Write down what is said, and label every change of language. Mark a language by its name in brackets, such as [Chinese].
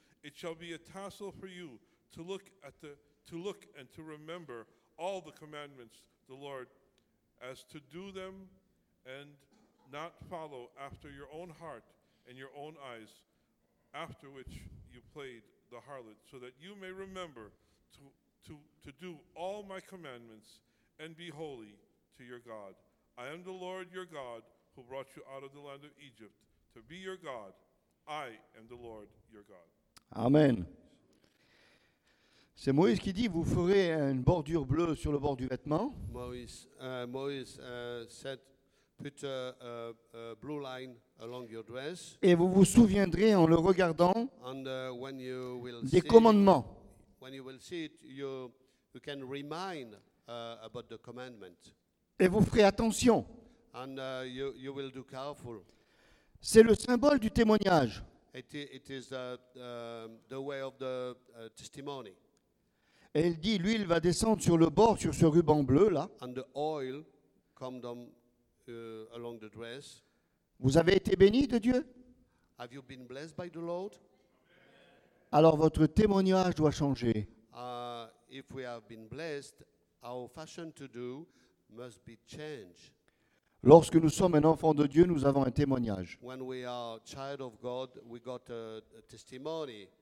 [English] It shall be a tassel for you to look at the to look and to remember all the commandments the Lord, as to do them and not follow after your own heart and your own eyes, after which you played the harlot, so that you may remember to do all my commandments and be holy to your God. I am the Lord your God who brought you out of the land of Egypt to be your God. I am the Lord your God. Amen. [French] C'est Moïse qui dit, vous ferez une bordure bleue sur le bord du vêtement. [English] Moïse said, put a blue line along your dress. [French] Et vous vous souviendrez en le regardant [English] and, when you will [French] des commandements. [English] When you will see it, you can remind about the commandment. [French] Et vous ferez attention. [English] And you will do careful. [French] C'est le symbole du témoignage. [English] It is the way of the testimony. [French] Et il dit, l'huile va descendre sur le bord, sur ce ruban bleu là. [English] And the oil come down. Along the dress. [French] Vous avez été béni de Dieu? [English] Have you been blessed by the Lord? [French] Alors votre témoignage doit changer. [English] If we have been blessed, our fashion to do must be changed. [French] Lorsque nous sommes un enfant de Dieu, nous avons un témoignage. [English] When we are child of God, we got a testimony.